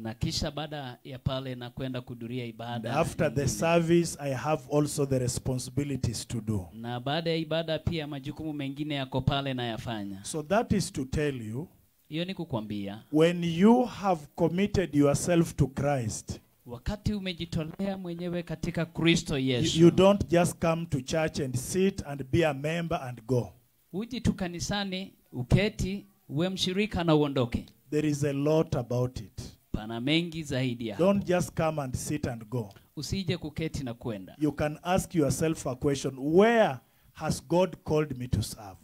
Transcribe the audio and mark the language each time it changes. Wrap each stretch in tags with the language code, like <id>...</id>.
<sw>Na kisha baada ya pale na kwenda kuhudhuria ibada.</sw> <en>And after the service I have also the responsibilities to do.</en> <sw>Na baada ya ibada pia majukumu mengine yako pale na yafanya.</sw> <en>So that is to tell you.</en> <sw>Hiyo ni kukwambia.</sw> <en>When you have committed yourself to Christ.</en> <sw>Wakati umejitolea mwenyewe katika Kristo Yesu.</sw> <en>You don't just come to church and sit and be a member and go.</en> <sw>Uji tu kanisani, uketi, uwe mshirika na uondoke.</sw> <en>There is a lot about it.</en> <sw>Pana mengi zaidi hapo.</sw> <en>Don't just come and sit and go.</en> <sw>Usije kuketi na kuenda.</sw> <en>You can ask yourself a question, where has God called me to serve?</en>